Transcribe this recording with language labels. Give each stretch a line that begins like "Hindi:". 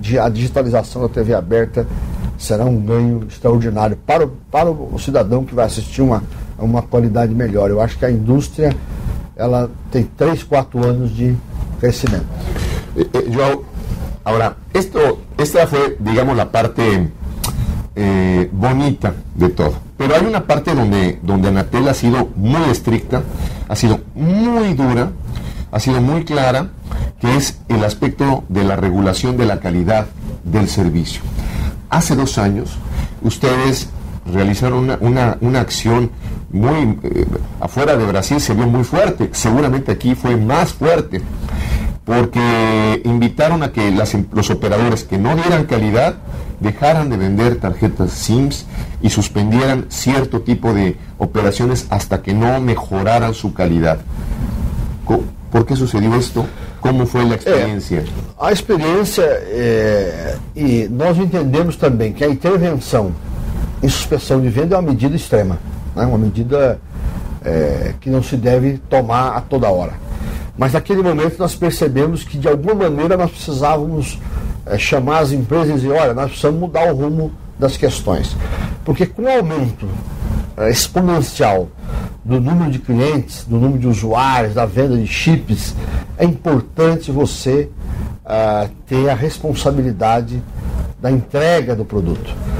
Portuguese: A digitalização da TV aberta será um ganho extraordinário para o cidadão que vai assistir uma qualidade melhor. Eu acho que a indústria, ela tem 3-4 anos de crescimento. João, agora, esta foi, digamos, a parte bonita de todo.
Spanish: Pero hay una parte donde Anatel ha sido muy estricta, ha sido muy dura, ha sido muy clara, que es el aspecto de la regulación de la calidad del servicio. Hace dos años, ustedes realizaron una acción muy, afuera de Brasil se vio muy fuerte, seguramente aquí fue más fuerte, porque invitaron a que los operadores que no dieran calidad dejaran de vender tarjetas SIMS y suspendieran cierto tipo de operaciones hasta que no mejoraran su calidad. ¿Por qué sucedió esto? ¿Cómo fue la experiencia? A experiencia, y nosotros entendemos también que la intervención y suspensión de venta es una medida extrema, ¿no? Una medida que no se debe tomar a toda hora.
Portuguese: Mas naquele momento nós percebemos que de alguma maneira nós precisávamos chamar as empresas e dizer, olha, nós precisamos mudar o rumo das questões. Porque com o aumento exponencial do número de clientes, do número de usuários, da venda de chips, é importante você ter a responsabilidade da entrega do produto.